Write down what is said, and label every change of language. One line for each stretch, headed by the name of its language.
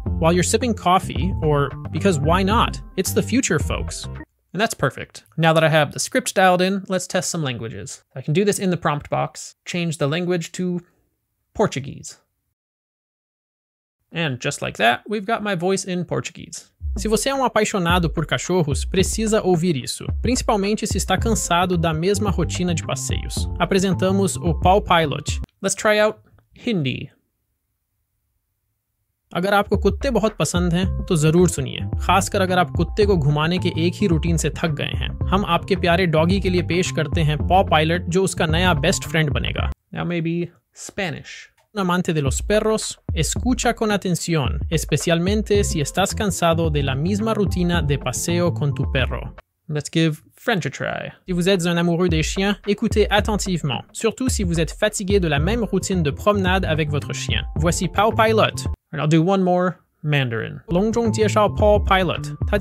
English: While you're sipping coffee, or because why not? It's the future, folks. And that's perfect. Now that I have the script dialed in, let's test some languages. I can do this in the prompt box, change the language to Portuguese. And just like that, we've got my voice in Portuguese.
Portuguese: Se você é apaixonado por cachorros, precisa ouvir isso, principalmente se está cansado da mesma rotina de passeios. Apresentamos o Paw Pilot.
English: Let's try out Hindi.
Hindi: अगर आपको कुत्ते बहुत पसंद हैं, तो जरूर सुनिए। खासकर अगर आप कुत्ते को घुमाने के एक ही रूटीन से थक गए हैं। हम आपके प्यारे डॉगी के लिए पेश करते हैं पॉ पायलट, जो उसका नया बेस्ट फ्रेंड बनेगा।
English: Now maybe Spanish.
Spanish: Un amante de los perros, escucha con atención, especialmente si estás cansado de la misma rutina de paseo con tu perro.
English: Let's give French a try.
French: Si vous êtes un amoureux des chiens, écoutez attentivement, surtout si vous êtes fatigué de la même routine de promenade avec votre chien. Voici Paw Pilot.
English: And I'll do one more Mandarin.
Chinese: 隆重介绍 Paw Pilot.